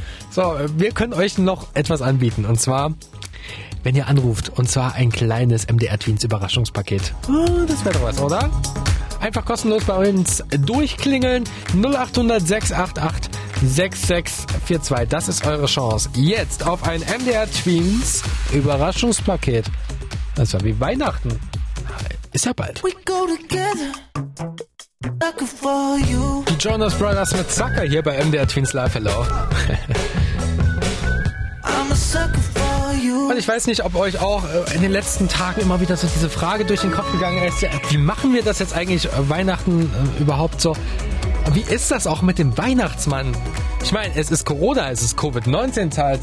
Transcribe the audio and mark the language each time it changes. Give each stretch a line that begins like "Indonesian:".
German: So, wir können euch noch etwas anbieten. Und zwar, wenn ihr anruft, und zwar ein kleines MDR-Twins-Überraschungspaket. Das wäre doch was, oder? Einfach kostenlos bei uns durchklingeln. 0800 688 6642. Das ist eure Chance. Jetzt auf ein MDR Twins Überraschungspaket. Das war wie Weihnachten. Ist ja bald.
English: We go together, like for you.
German: Die Jonas Brothers mit Sucker hier bei MDR Twins Live. Hello.
English: I'm a sucker for you.
German: Und ich weiß nicht, ob euch auch in den letzten Tagen immer wieder so diese Frage durch den Kopf gegangen ist. Ja, wie machen wir das jetzt eigentlich Weihnachten überhaupt so? Wie ist das auch mit dem Weihnachtsmann? Ich meine, es ist Corona, es ist Covid-19-Zeit.